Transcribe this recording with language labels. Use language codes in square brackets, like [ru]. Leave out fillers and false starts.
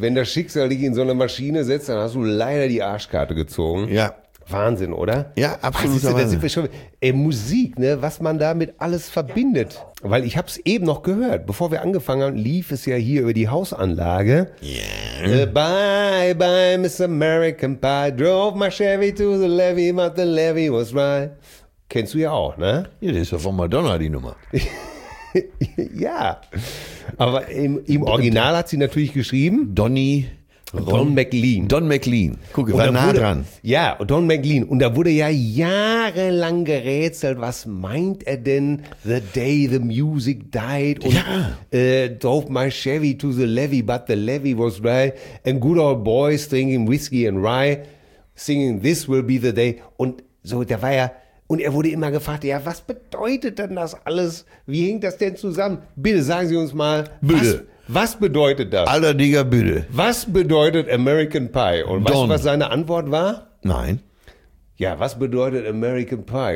[de] Wenn das Schicksal dich in so eine Maschine setzt, dann hast du leider die Arschkarte gezogen. Ja. Wahnsinn, oder? Ja, absolut. Musik, ne? Was man damit alles verbindet. Weil ich habe es eben noch gehört. Bevor wir angefangen haben, lief es ja hier über die Hausanlage. [en] Yeah. Bye, bye, Miss American Pie. Drove my Chevy to the levee, but the levee was dry. [de] Kennst du ja auch, ne? Ja, das ist ja von Madonna die Nummer. Ja. Aber im Original hat sie natürlich geschrieben. Don McLean. Guck, war nah dran. Ja, Don McLean. Und da wurde ja jahrelang gerätselt, was meint er denn? [en] The day the music died. Und drove my Chevy to the levee, but the levee was dry. And good old boys drinking whiskey and rye, singing this will be the day. [de] Und so, da war ja, und er wurde immer gefragt, ja, was bedeutet denn das alles? Wie hängt das denn zusammen? Bitte sagen Sie uns mal. Bitte. Was bedeutet das? Alter Digga, bitte. Was bedeutet American Pie? Und weißt du, was seine Antwort war? Nein. Ja, was bedeutet American Pie?